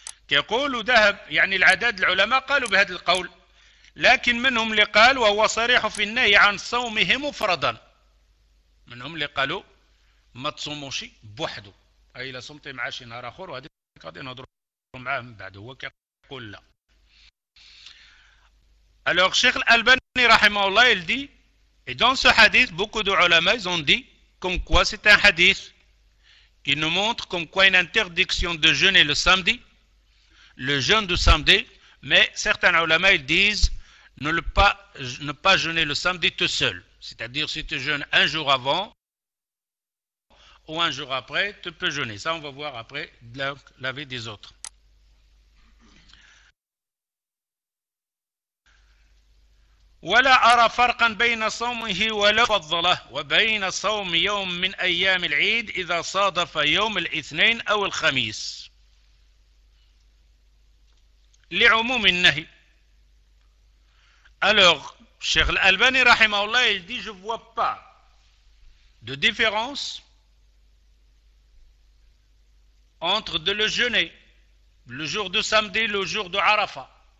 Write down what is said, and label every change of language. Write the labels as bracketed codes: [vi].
[ar] يقول ذهب يعني العدد العلماء قالوا بهذا القول، لكن منهم اللي قال وهو صريح في النهي عن صومه مفردا، منهم اللي قالوا ما تصوموش بوحده، أي لا صمت مع شي نهار آخر، وهذه غادي نهضروا معاه من بعد. هو كيقول لا. [fr] Alors, Cheikh Al-Albani, rahimahullah, il dit, et dans ce hadith, beaucoup d'ulama, ils ont dit, comme quoi c'est un hadith qui nous montre comme quoi une interdiction de jeûner le samedi, le jeûne du samedi, mais certains ulama, ils disent, ne pas jeûner le samedi tout seul. C'est-à-dire, si tu jeûnes un jour avant ou un jour après, tu peux jeûner. Ça, on va voir après l'avis des autres. [ar] ولا أرى فرقا بين صومه ولو فضله وبين صوم يوم من أيام العيد إذا صادف يوم الاثنين أو الخميس لعموم النهي. [fr] Alors, Cheikh Al-Albani rahimahullah, il dit, je ne vois pas de différence entre de le jeûner le jour de samedi, le jour de Arafat,